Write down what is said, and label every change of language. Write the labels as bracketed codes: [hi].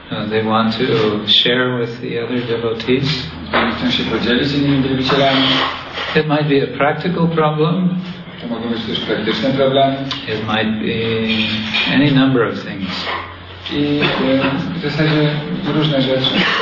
[en] They want to share with the other devotees. [pl] Chcą się podzielić z innymi wielbicielami. [en] It might be a practical problem. [pl] To mogą być też praktyczne problemy. [en] It might be any number of things. [pl] I w zasadzie różne rzeczy.